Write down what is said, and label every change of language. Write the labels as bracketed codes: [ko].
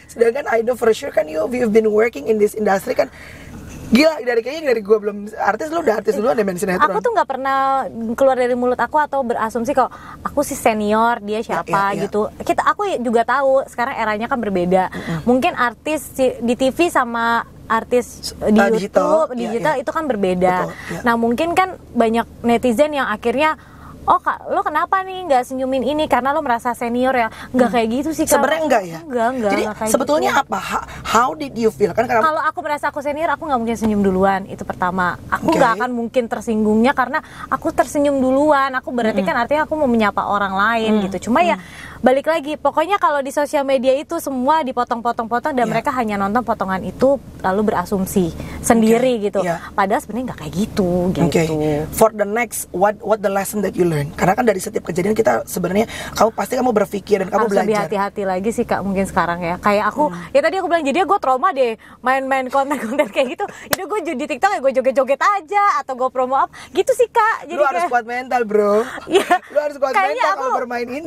[en] Sedangkan I know for sure kan you've been working in this industry kan. [id] Gila, dari kayaknya dari gue belum artis, lu udah artis dulu deh main sinetron. Aku tuh gak pernah keluar dari mulut aku atau berasumsi kok aku sih senior, dia siapa gitu. Kita, aku juga tahu sekarang eranya kan berbeda. Mungkin artis di TV sama artis di YouTube, digital itu kan berbeda. Nah mungkin kan banyak netizen yang akhirnya, oh kak, lo kenapa nih gak senyumin ini? Karena lo merasa senior ya? Gak kayak gitu sih kak. Sebenernya enggak ya? Enggak. Jadi sebetulnya gitu. Apa? [en] How did you feel? [id] Kan karena... Kalau aku merasa aku senior, aku gak mungkin senyum duluan. Itu pertama. Aku gak akan mungkin tersinggungnya karena aku tersenyum duluan. Aku berarti kan artinya aku mau menyapa orang lain gitu. Cuma ya balik lagi, pokoknya kalau di sosial media itu semua dipotong-potong-potong dan mereka hanya nonton potongan itu lalu berasumsi sendiri gitu. Padahal sebenarnya gak kayak gitu. [en] For the next, what the lesson that you learn? [id] Karena kan dari setiap kejadian kita sebenarnya, kamu pasti kamu berpikir dan kamu harus belajar. Lebih hati-hati lagi sih kak mungkin sekarang ya. Kayak aku, ya tadi aku bilang, jadinya gue trauma deh main-main konten-konten kayak gitu. Jadi gue di TikTok ya gue joget-joget aja atau gue promo up. Gitu sih kak. Jadi lu kayak, harus kuat mental bro. Lu harus kuat mental kalau bermain ini.